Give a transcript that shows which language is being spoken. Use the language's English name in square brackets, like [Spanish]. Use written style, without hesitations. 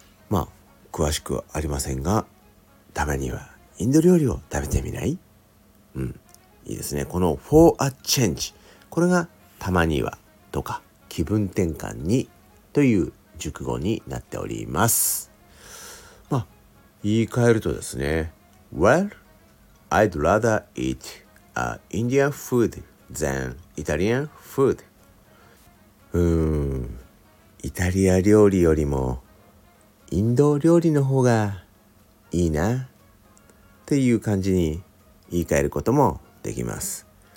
[Japanese] まあ詳しくはありませんが、たまにはインド料理を食べてみない？いいですね。この [English] for a change、 [Japanese] これがたまにはとか気分転換にという熟語になっております。まあ言い換えるとですね、 [English] Well, I'd rather eat Indian food than Italian food。 [Japanese] イタリア料理よりもインド料理の方がいいなっていう感じに言い換えることもできます。